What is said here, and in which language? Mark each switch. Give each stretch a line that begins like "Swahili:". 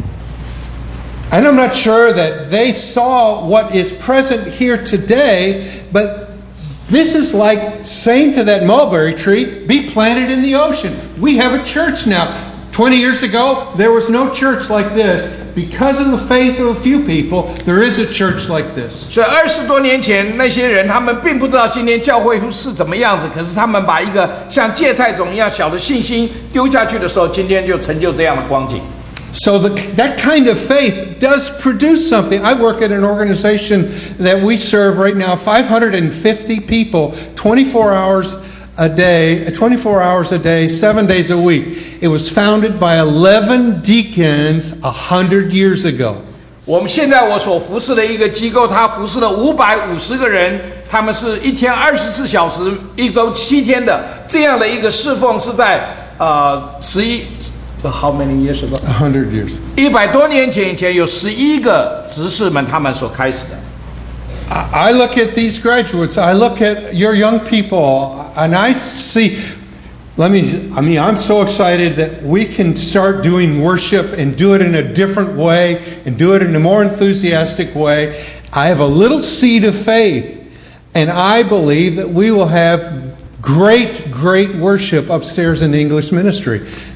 English: I'm not sure that they saw what is present here today, but this is like saying to that mulberry tree, be planted in the ocean. We have a church now. 20 years ago, there was no church like this. Because of the faith of a few people, there is a church like this.
Chinese: 所以20多年前，那些人他们并不知道今天教会是怎么样子，可是他们把一个像芥菜种一样小的信心丢下去的时候，今天就成就这样的光景。
English: So that kind of faith does produce something. I work at an organization that we serve right now, 550 people, 24 hours a day, 7 days a week. It was founded by 11 deacons 100 years ago.
Chinese: 我们现在我所服侍的一个机构，它服侍了550个人，他们是一天24小时，一周7天的这样的一个侍奉，是在11
English: how many years ago? 100 years.
Chinese: 100多年前，有11个执事们他们所开始的。
English: I look at these graduates. I look at your young people, and I see. I'm so excited that we can start doing worship and do it in a different way and do it in a more enthusiastic way. I have a little seed of faith, and I believe that we will have great, great worship upstairs in the English ministry.